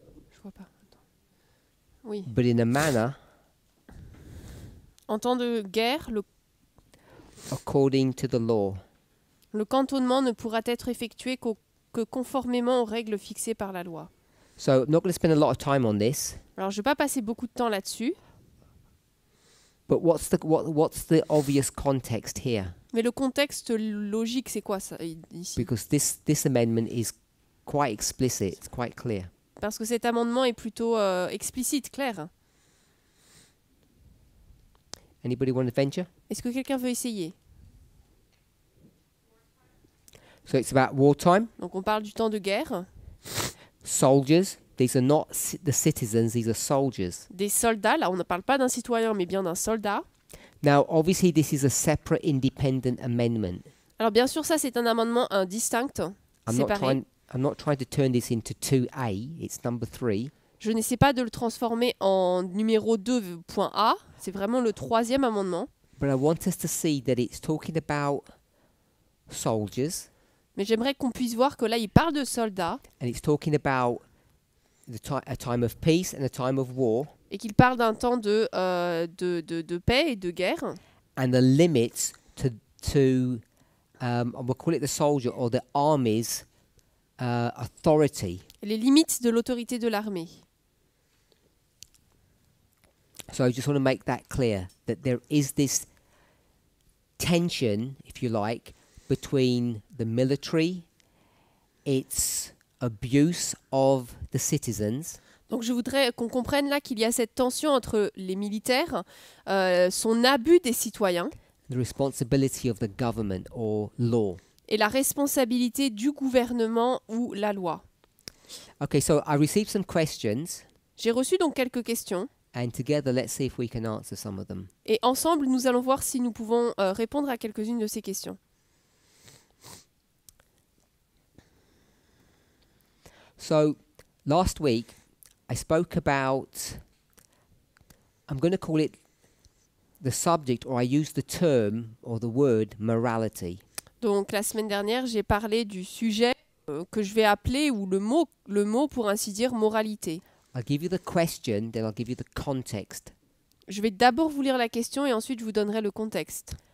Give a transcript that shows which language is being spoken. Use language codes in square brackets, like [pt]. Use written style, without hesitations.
[fr] Je vois pas. Attends. Oui. [en] But in a manner. [fr] En temps de guerre, le. [en] According to the law. [fr] Le cantonnement ne pourra être effectué que conformément aux règles fixées par la loi. [en] So I'm not going to spend a lot of time on this. [fr] Alors je vais pas passer beaucoup de temps là-dessus. [en] But what's the obvious context here? [fr] Mais le contexte logique, c'est quoi ça ici? [en] Because this amendment is quite explicit, it's quite clear. [fr] Parce que cet amendement est plutôt explicite, clair. [en] Anybody want to venture? [fr] Est-ce que quelqu'un veut essayer? [en] So it's about wartime. [fr] Donc on parle du temps de guerre. [en] Soldiers, these are not the citizens, these are soldiers. [fr] Des soldats, là on ne parle pas d'un citoyen mais bien d'un soldat. [en] Now, obviously, this is a separate, independent amendment. [fr] Alors, bien sûr, ça, c'est un amendement distinct, séparé. [en] I'm not trying to turn this into 2A, it's number 3. [fr] Je n'essaie pas de le transformer en numéro 2.A, c'est vraiment le troisième amendement. [en] But I want us to see that it's talking about soldiers. [fr] Mais j'aimerais qu'on puisse voir que là, il parle de soldats. [en] And it's talking about a time of peace and a time of war. [fr] Et qu'il parle d'un temps de paix et de guerre. [en] And the limits to we'll call it the soldier or the army's authority. [fr] Les limites de l'autorité de l'armée. [en] So I just want to make that clear that there is this tension, if you like, between the military, its abuse of the citizens. [fr] Donc je voudrais qu'on comprenne là qu'il y a cette tension entre les militaires, son abus des citoyens. [en] The responsibility of the government or law. [fr] Et la responsabilité du gouvernement ou la loi. [en] Okay, so I received some questions. [fr] J'ai reçu donc quelques questions. [en] And together, let's see if we can answer some of them. [fr] Et ensemble, nous allons voir si nous pouvons répondre à quelques-unes de ces questions. [en] So, last week, I spoke about, I'm going to call it the subject, or I used the term, or the word, morality. [fr] Donc, la semaine dernière, j'ai parlé du sujet que je vais appeler, ou le mot, pour ainsi dire, moralité. [en] I'll give you the question, then I'll give you the context. [fr] Je vais d'abord vous lire la question et ensuite je vous donnerai le contexte.